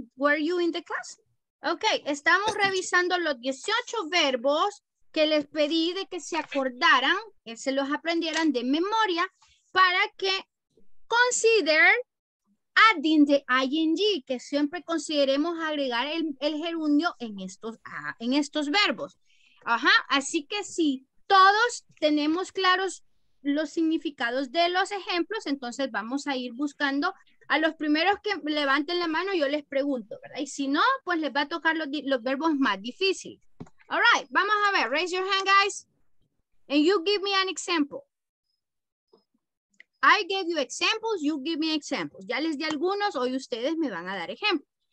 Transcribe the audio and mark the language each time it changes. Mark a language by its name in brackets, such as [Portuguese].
[English] Were you in the class? Ok, [Spanish] estamos revisando los 18 verbos que les pedí de que se acordaran, que se los aprendieran de memoria, para que [English] consider adding the ing, [Spanish] que siempre consideremos agregar el gerundio en estos verbos. Ajá, así que si todos tenemos claros los significados de los ejemplos, entonces vamos a ir buscando a los primeros que levanten la mano, yo les pregunto, ¿verdad? Y si no, pues les va a tocar los verbos más difíciles. [English] All right, [Spanish] vamos a ver, [English] raise your hand, guys, and you give me an example. I gave you examples, you give me examples. [Spanish] Ya les di algunos, hoy ustedes me van a dar ejemplos.